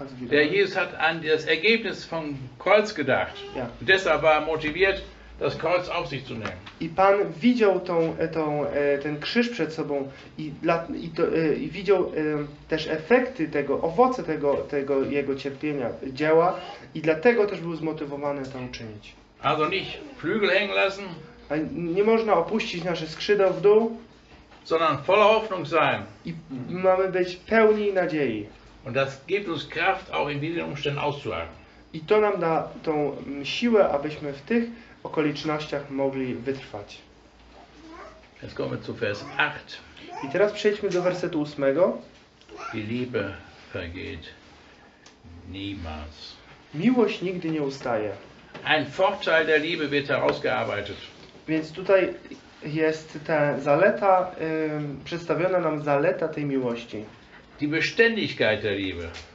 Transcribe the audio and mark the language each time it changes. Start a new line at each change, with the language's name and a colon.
German: Der Jesus hat an das Ergebnis vom Kreuz gedacht. Ja. Und deshalb war er motiviert, das Kreuz auf sich zu nehmen.
Polish: I Pan widział ten krzyż przed sobą i widział też efekty tego, owoce tego jego cierpienia, dzieła i dlatego też był zmotywowany to uczynić.
German: Also nicht Flügel hängen lassen.
Polish: Nie można opuścić nasze skrzydeł w dół.
German: Sondern voller Hoffnung sein.
Polish: I mamy być pełni nadziei.
German: Und das gibt uns Kraft, auch in widrigen Umständen auszuhalten.
Polish: I to nam da tą siłę, abyśmy w tych okolicznościach mogli wytrwać.
German: Jetzt kommen wir zu Vers 8.
Polish: I teraz przejdźmy do wersetu 8.
German: Die Liebe vergeht niemals.
Polish: Miłość nigdy nie ustaje.
German: Ein Vorteil der Liebe wird herausgearbeitet.
Polish: Więc tutaj jest ta zaleta, przedstawiona nam zaleta tej miłości.
German: Die Beständigkeit der Liebe.